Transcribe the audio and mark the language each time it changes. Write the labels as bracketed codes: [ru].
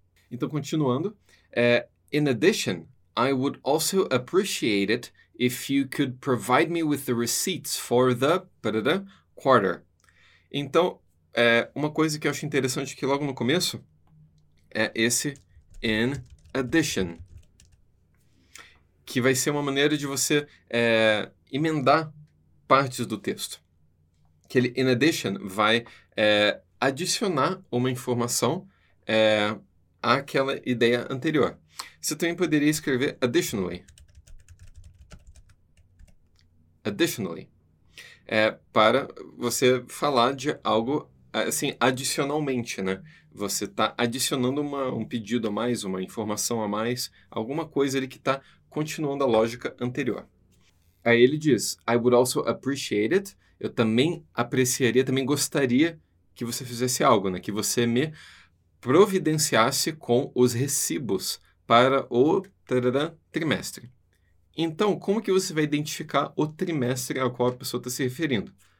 [pt] Então, continuando, [en] in addition, I would also appreciate it if you could provide me with the receipts for the quarter. [pt] Então, uma coisa que eu acho interessante aqui logo no começo é esse [en] in addition, [pt] que vai ser uma maneira de você emendar partes do texto. Aquele [en] in addition [pt] vai adicionar uma informação àquela ideia anterior. Você também poderia escrever additionally. Additionally. Para você falar de algo assim, adicionalmente, né? Você está adicionando um pedido a mais, uma informação a mais, alguma coisa ali que está continuando a lógica anterior. Aí ele diz, [en] I would also appreciate it. [pt] Eu também apreciaria, também gostaria que você fizesse algo, né? Que você me providenciasse com os recibos para o trimestre. Então, como que você vai identificar o trimestre ao qual a pessoa está se referindo?